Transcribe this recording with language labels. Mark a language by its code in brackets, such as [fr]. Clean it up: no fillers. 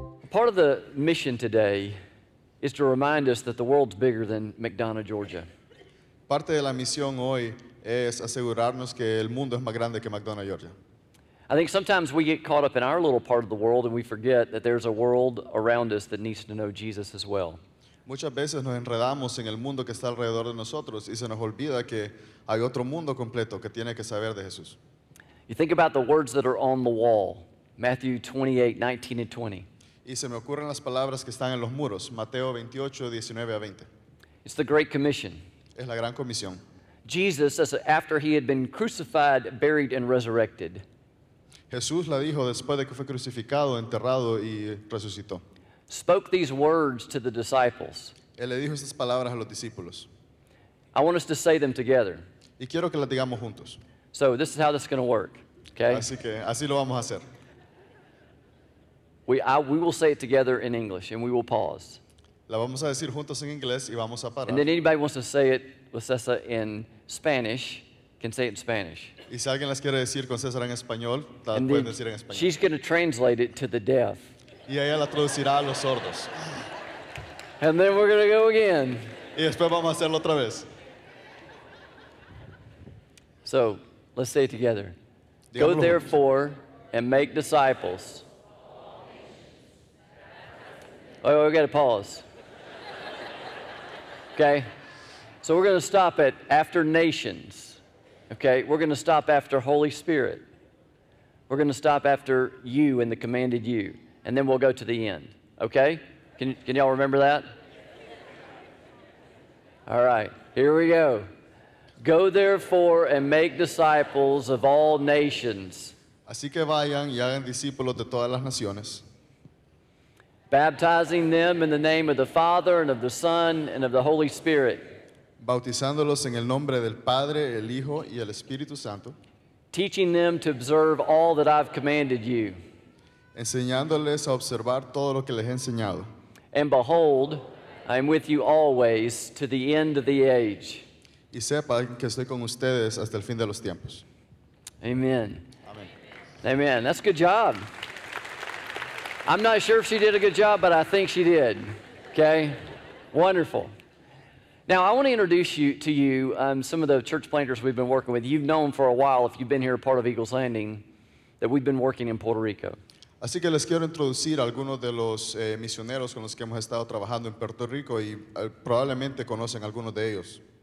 [en] Part of the mission today is to remind us that the world's bigger than McDonough, Georgia. [es] Parte de la misión hoy es asegurarnos que el mundo es más grande que McDonough, Georgia. [en] I think sometimes we get caught up in our little part of the world and we forget that there's a world around us that needs to know Jesus as well. [es] Muchas veces nos enredamos en el mundo que está alrededor de nosotros y se nos olvida que hay otro mundo completo que tiene que saber de Jesús. [en] You think about the words that are on the wall, Matthew 28, 19 and 20. [es] Y se me ocurren las palabras que están en los muros, Mateo 28, 19 a 20. [en] It's the Great Commission. [es] Es la Gran Comisión. [en] Jesus, after he had been crucified, buried, and resurrected. [es] Jesús la dijo después de que fue crucificado, enterrado y resucitó. [en] Spoke these words to the disciples. [es] Él le dijo estas palabras a los discípulos. [en] I want us to say them together. [es] Y quiero que las digamos juntos. [en] So this is how this is going to work. Okay? [es] Así que así lo vamos a hacer. [en] We will say it together in English and we will pause. [es] La vamos a decir juntos en inglés y vamos a parar. [en] And then anybody wants to say it with Cesar in Spanish can say it in Spanish. [es] Y si alguien las quiere decir con César en español, la pueden decir en español. [en] She's going to translate it to the deaf. [es] Y ella la traducirá a los sordos. [en] And then we're going to go again. [es] Y después vamos a hacerlo otra vez. [en] So, let's say it together. [es] Digámoslo [en] go therefore [es] juntos. [en] And make disciples. Oh, we've got to pause. Okay? So we're going to stop at after nations. Okay? We're going to stop after Holy Spirit. We're going to stop after you and the commanded you. And then we'll go to the end. Okay? Can y'all remember that? All right. Here we go. Go therefore and make disciples of all nations. [es] Así que vayan y hagan discípulos de todas las naciones. [en] Baptizing them in the name of the Father and of the Son and of the Holy Spirit. [es] Bautizándolos en el nombre del Padre, el Hijo y el Espíritu Santo. [en] Teaching them to observe all that I've commanded you. [es] Enseñándoles a observar todo lo que les he enseñado. [en] And behold, I am with you always to the end of the age. [es] Y sepan que estoy con ustedes hasta el fin de los tiempos. [en] Amen. Amen. Amen. That's a good job. I'm not sure if she did a good job, but I think she did. Okay? Wonderful. Now, I want to introduce you to you some of the church planters we've been working with. You've known for a while, if you've been here part of Eagle's Landing, that we've been working in Puerto Rico. [es] Así que les quiero introducir a algunos de los misioneros con los que hemos estado trabajando en Puerto Rico y probablemente conocen algunos de ellos.